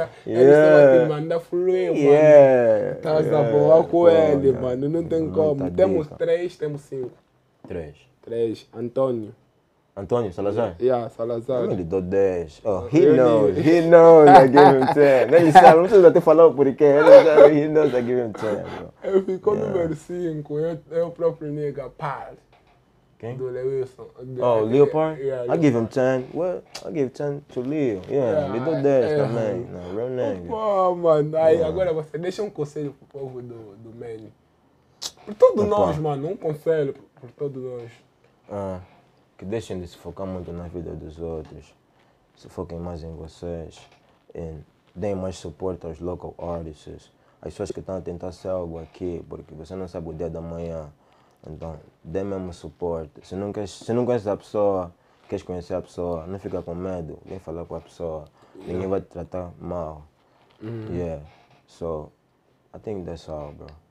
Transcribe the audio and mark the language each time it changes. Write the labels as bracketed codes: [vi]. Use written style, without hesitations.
[pt] Ele estava te mandar fluir, mano. Tá zavolar com ele, mano. Não tem como. Temos 3, temos 5. 3. 3. Antônio. António Salazar? [en] Yeah, Salazar. [pt] Eu lhe dou 10. [en] Oh, he knows, I give him 10. [pt] Nem ele sabe, não precisa até falar o porquê. Ele já, [en] he knows, I give him 10. [pt] Ele ficou número 5, é o próprio nega, Paz. Quem? Do Lewilson. [en] Oh, Leopard? Yeah, I give him 10. Well, I give 10 to Leo. [pt] Yeah, lhe dou 10 também. Não, real nega. Pô, mano, aí agora você deixa um conselho pro povo do Manny. Por todos nós, mano, um conselho por todos nós. Que deixem de se focar muito na vida dos outros, se foquem mais em vocês e deem mais suporte aos local artists, às pessoas que estão a tentar ser algo aqui, porque você não sabe o dia da manhã. Então, dê mesmo suporte. Se não conheces a pessoa, queres conhecer a pessoa, não fica com medo, vem falar com a pessoa, ninguém vai te tratar mal. [en] Yeah, so, I think that's all, bro.